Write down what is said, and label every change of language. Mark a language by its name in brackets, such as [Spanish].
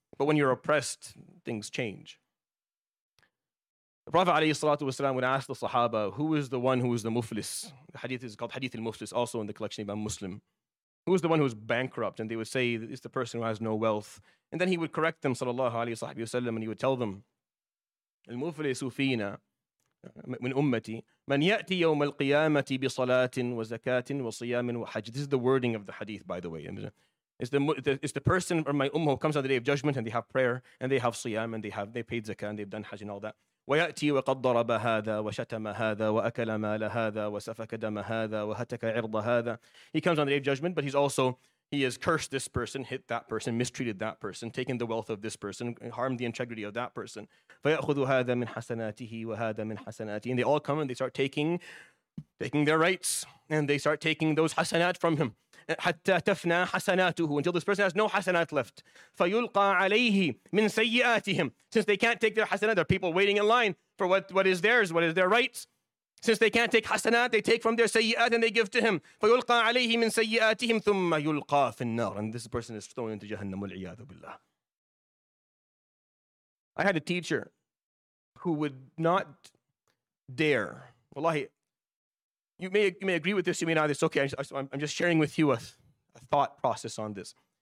[English] But when you're oppressed, things change. The Prophet alayhi salatu wasalam would ask the Sahaba, who is the one who is the muflis? The hadith is called Hadith al-Muflis, also in the collection of Imam Muslim. Who is the one who is bankrupt? And they would say, it's the person who has no wealth. And then he would correct them, sallallahu alayhi wa sallam, and he would tell them, [Arabic] المفلس فينا من أمتي من يأتي يوم القيامة بصلاة وزكاة وصيام وحج. [English] This is the wording of the hadith, by the way. It's the person or my ummah who comes on the day of judgment and they have prayer and they have siyam and they paid zakah and they've done hajj and all that. [Arabic] ويأتي وقد ضرب هذا وشتم هذا وأكل مال هذا وسفك دم هذا وهتك عرض هذا. [English] He comes on the day of judgment, but he has cursed this person, hit that person, mistreated that person, taken the wealth of this person, harmed the integrity of that person. [Arabic] فيأخذ هذا من حسناته وهذا من حسناته. [English] And they all come and they start taking their rights and they start taking those hasanat from him. [Arabic] حتى تفنى حسناته, [English] until this person has no hasanat left. [Arabic] فيلقى عليه من سيئاتهم. [English] Since they can't take their hasanat, there are people waiting in line for what is theirs, what is their rights. Since they can't take hasanat, they take from their sayyi'at and they give to him. [Arabic] فيلقى عليه من سيئاتهم ثم يلقى في النار. [English] And this person is thrown into jahannam, [Arabic] والعياذ بالله. [English] I had a teacher who would not dare. Wallahi, you may agree with this, you may not. It's okay, I'm just sharing with you a thought process on this.